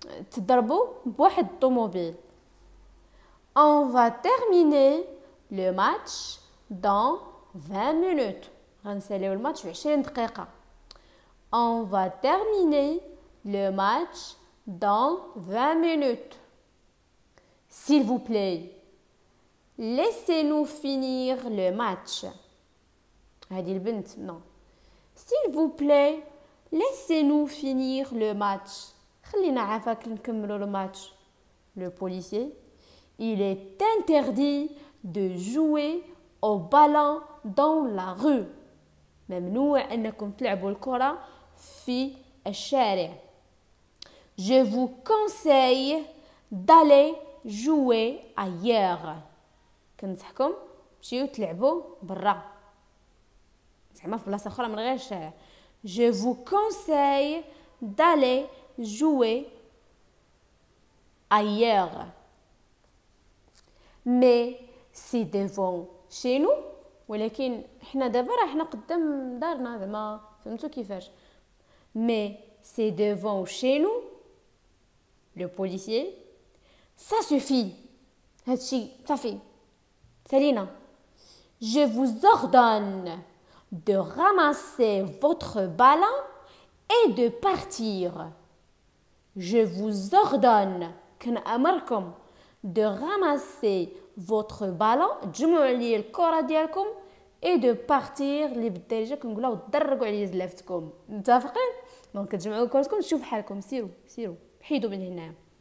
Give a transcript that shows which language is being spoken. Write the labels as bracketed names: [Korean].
[Arabic] تضربوا بواحد الطوموبيل. [French] On va terminer le match dans 20 minutes. [Arabic] غنساليو الماتش في 20 دقيقة. [French] On va terminer le match dans 20 minutes. S'il vous plaît, laissez-nous finir le match. [Arabic] هذه البنت non. [French] S'il vous plaît, laissez-nous finir le match. [Arabic] خلينا عافاك نكملوا الماتش. [French] Le policier, il est interdit de jouer au ballon dans la rue. [Arabic] ممنوع انكم تلعبوا الكره في الشارع. [French] Je vous conseille d'aller jouer ailleurs. [Arabic] كنصحكم تمشيو تلعبوا برا. زعما في بلاصه اخرى من غير الشارع. [French] Je vous conseille d'aller jouer ailleurs. Mais c'est devant chez nous. [Arabic] ولكن حنا دابا راه قدام دارنا زعما فهمتوا كيفاش. [French] Mais c'est devant chez nous. Le policier. Ça suffit. [Arabic] هادشي صافي. سالينا. [French] Je vous ordonne de ramasser votre ballon et de partir. Je vous ordonne [Arabic] كنأمركم [French] de ramasser votre ballon, [Arabic] جمعوا لي الكره ديالكم [French] et de partir [Arabic] اللي بالدارجه كنقولوا درقوا على زلافتكم. متفقين؟ دونك تجمعوا كرتكم تشوفوا حالكم سيروا سيروا حيدوا من هنا.